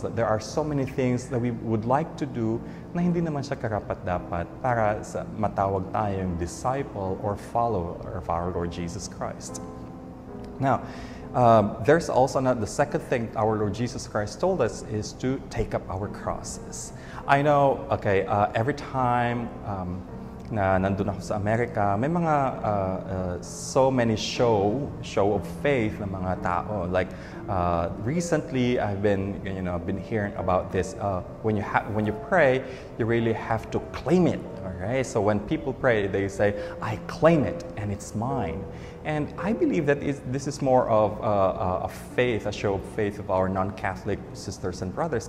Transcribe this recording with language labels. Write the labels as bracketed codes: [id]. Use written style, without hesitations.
[en] That there are so many things that we would like to do [tl] na hindi naman siya karapat-dapat para sa matawag tayong [en] disciple or follower of our Lord Jesus Christ. Now, there's also not the second thing our Lord Jesus Christ told us is to take up our crosses. I know, okay, every time [tl] na nandun ako sa America, may mga [en] so many show of faith [tl] na mga tao. [en] Like recently, I've been, you know, been hearing about this. When you pray, you really have to claim it. All right. So when people pray, they say, "I claim it, and it's mine." And I believe that this is more of a faith, a show of faith of our non-Catholic sisters and brothers.